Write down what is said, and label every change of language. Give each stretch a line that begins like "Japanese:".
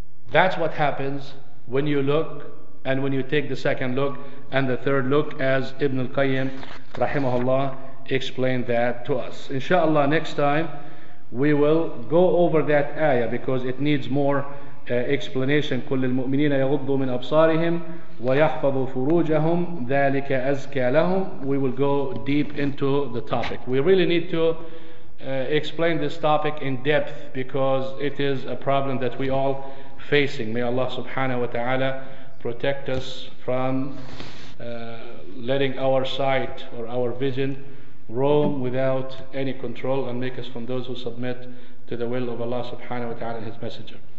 English: That's what happens when you look, and when you take the second look and the third look, as Ibn al-Qayyim rahimahullah explained that to us. Inshallah, next time we will go over that ayah because it needs more explanation.
Arabic: كل المؤمنين يغضوا من أبصارهم ويحفظوا فروجهم ذلك أزكى لهم.
English: We will go deep into the topic. We really need to explain this topic in depth because it is a problem that we all facing. May Allah subhanahu wa ta'ala protect us from letting our sight or our vision roam without any control, and make us from those who submit to the will of Allah subhanahu wa ta'ala and His Messenger.